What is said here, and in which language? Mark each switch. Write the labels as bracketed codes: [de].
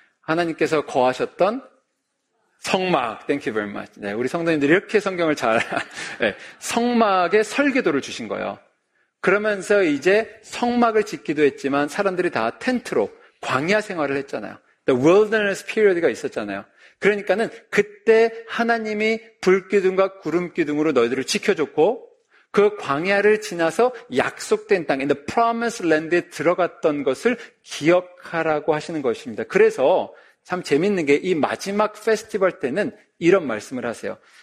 [ko] 하나님께서 거하셨던 성막. [en] Thank you very much. [ko] 네, 우리 성도님들이 이렇게 성경을 잘 네, 성막의 설계도를 주신 거예요. 그러면서 이제 성막을 짓기도 했지만 사람들이 다 텐트로 광야 생활을 했잖아요. [en] The wilderness period가 [ko] 있었잖아요. 그러니까는 그때 하나님이 불기둥과 구름기둥으로 너희들을 지켜줬고 그 광야를 지나서 약속된 땅, [en] in the promised land [ko] 에 들어갔던 것을 기억하라고 하시는 것입니다. 그래서 참 재밌는 게 이 마지막 페스티벌 때는 이런 말씀을 하세요.